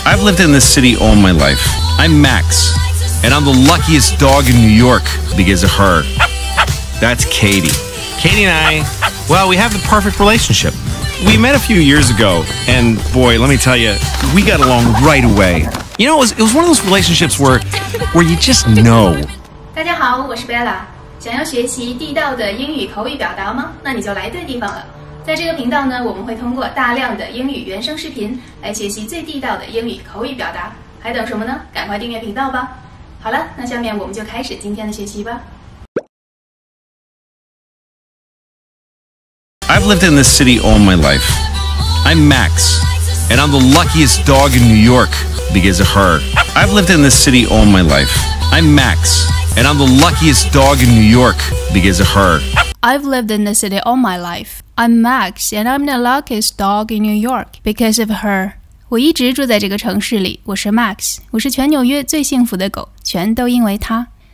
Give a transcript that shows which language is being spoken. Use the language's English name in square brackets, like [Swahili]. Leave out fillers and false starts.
[English] I've lived in this city all my life. I'm Max, and I'm the luckiest dog in New York because of her. That's Katie. Katie and I, well, we have the perfect relationship. We met a few years ago, and boy, let me tell you, we got along right away. You know, it was one of those relationships where you just know. [Chinese] 大家好，我是 Bella。想要学习地道的英语口语表达吗？那你就来对地方了。在这个频道呢，我们会通过大量的英语原声视频来学习最地道的英语口语表达。还等什么呢？赶快订阅频道吧。好了，那下面我们就开始今天的学习吧。 [English] I've lived in this city all my life. I'm Max, and I'm the luckiest dog in New York because of her. I've lived in this city all my life. I'm Max, and I'm the luckiest dog in New York because of her. I've lived in this city all my life. I'm Max, and I'm the luckiest dog in New York because of her. [Chinese] 我一直住在这个城市里，我是 Max, 我是全纽约最幸福的狗，全都因为她。